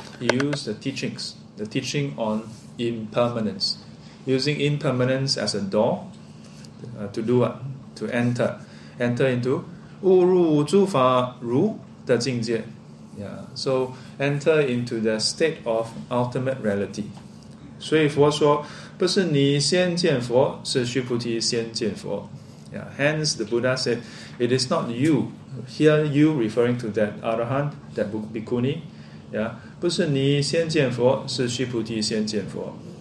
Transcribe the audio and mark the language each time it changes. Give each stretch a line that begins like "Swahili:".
English: He used the teachings, the teaching on impermanence, using impermanence as a door to do what? To enter into
Chinese: 误入诸法如的境界.
English: Yeah, so enter into the state of ultimate reality.
Chinese: 所以佛说, 不是你先见佛, 是须菩提先见佛.
English: Yeah, hence the Buddha said, it is not you, here you referring to that Arahant, that Bhikkhuni, yeah,
Chinese: 不是你先见佛, 是须菩提先见佛.